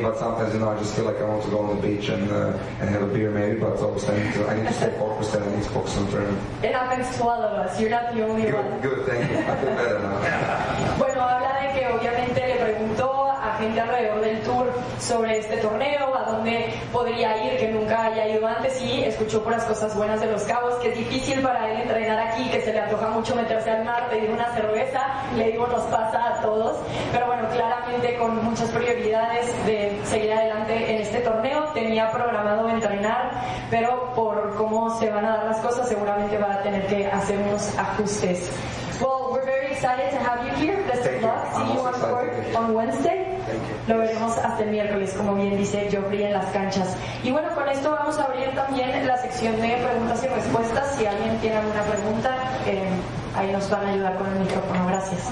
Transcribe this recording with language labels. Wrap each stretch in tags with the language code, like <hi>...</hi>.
<en>But sometimes, you know, I just feel like I want to go on the beach and have a beer maybe. But obviously, I need to stay focused and I need to focus on training. It happens to all of us. You're not the only one. Good, thank you. I feel better now.</en> <es>Bueno, habla de que obviamente le preguntó a gente alrededor del tour sobre este torneo, a dónde podría ir, que nunca haya ido antes, y escuchó por las cosas buenas de Los Cabos, que es difícil para él entrenar aquí, que se le antoja mucho meterse al mar, pedir una cerveza, le digo, nos pasa a todos, pero bueno, claramente con muchas prioridades de seguir adelante en este torneo, tenía programado entrenar, pero por cómo se van a dar las cosas, seguramente va a tener que hacer unos ajustes.</es> <en>Well, we're very excited to have you here. Best of luck. See you on court on Wednesday.</en> <es>Lo veremos hasta el miércoles, como bien dice Geoffrey, en las canchas. Y bueno, con esto vamos a abrir también la sección de preguntas y respuestas. Si alguien tiene alguna pregunta, ahí nos van a ayudar con el micrófono. Gracias.</es>